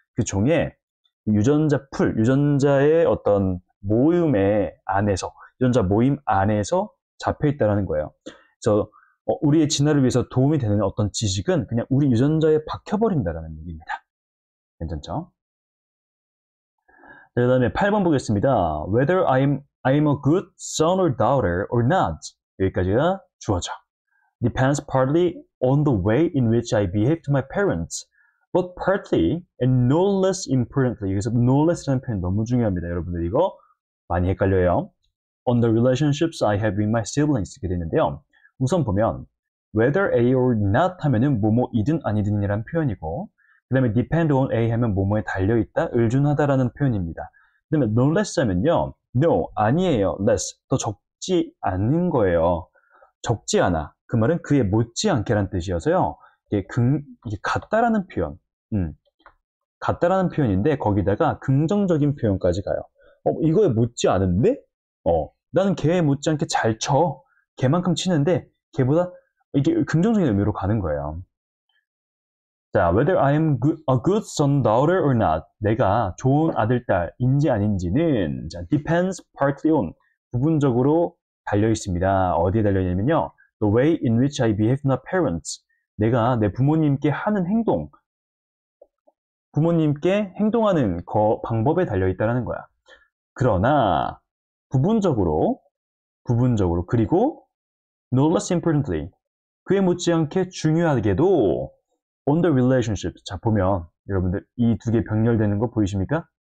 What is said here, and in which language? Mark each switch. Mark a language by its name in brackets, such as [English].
[Korean] 그 종의 유전자 풀, 유전자의 어떤 모임에 안에서, 유전자 모임 안에서 잡혀 있다라는 거예요. 그래서 우리의 진화를 위해서 도움이 되는 어떤 지식은 그냥 우리 유전자에 박혀버린다라는 얘기입니다. 괜찮죠? 그 다음에 8번 보겠습니다. [English] Whether I'm a good son or daughter or not. [Korean] 여기까지가 주어져. [English] Depends partly on the way in which I behave to my parents. But partly and no less importantly. [Korean] 여기서 no less라는 표현 너무 중요합니다. 여러분들 이거 많이 헷갈려요. [English] On the relationships I have with my siblings. [Korean] 이렇게 되는데요. 우선 보면, whether A or not 하면은 뭐뭐이든 아니든이란 표현이고, 그 다음에 depend on A 하면 뭐뭐에 달려있다, 의존하다라는 표현입니다. 그 다음에 no less 하면요, no, 아니에요, less, 더 적지 않은 거예요. 적지 않아. 그 말은 그에 못지않게란 뜻이어서요, 이게 같다라는 표현. 같다라는 표현인데, 거기다가 긍정적인 표현까지 가요. 이거에 못지 않은데? 나는 걔에 못지않게 잘 쳐. 걔만큼 치는데, 걔보다, 이게 긍정적인 의미로 가는 거예요. [English] 자, whether I am a good son, daughter or not. [Korean] 내가 좋은 아들, 딸인지 아닌지는, 자, [English] depends partly on. [Korean] 부분적으로 달려 있습니다. 어디에 달려 있냐면요. [English] The way in which I behave to my parents. [Korean] 내가 내 부모님께 하는 행동. 부모님께 행동하는 방법에 달려 있다는 거야. 그러나 부분적으로 그리고 [English] no less importantly [Korean] 그에 못지않게 중요하게도 [English] on the relationship [Korean] 자 보면 여러분들 이두개 병렬되는 거 보이십니까?